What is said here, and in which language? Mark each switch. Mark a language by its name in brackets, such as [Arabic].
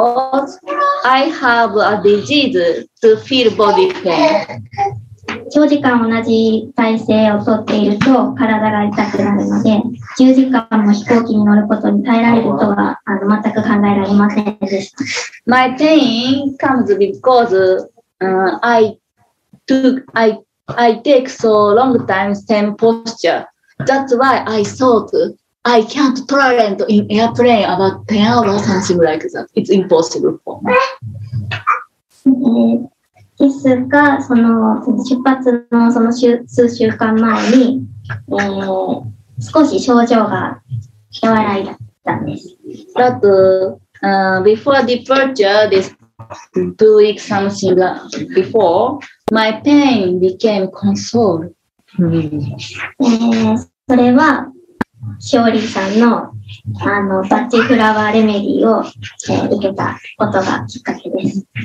[English] Because I have a disease to feel body pain. [Japanese] 長時間同じ体勢をとっていると体が痛くなるので、10時間も飛行機に乗ることに耐えられるとは全く考えられませんでした。 [English] My pain comes because、I take so long time same posture. That's why I thought I can't tolerant in airplane about 10 hours something like that. It's impossible for me. [Japanese] ですが、その出発のその数週間前に、少し症状が和らいだったんです。 [English] But before departure, this 2 weeks something before, my pain became console. [Japanese] それは、しおりさんの、バッチフラワーレメディを、受けたことがきっかけです。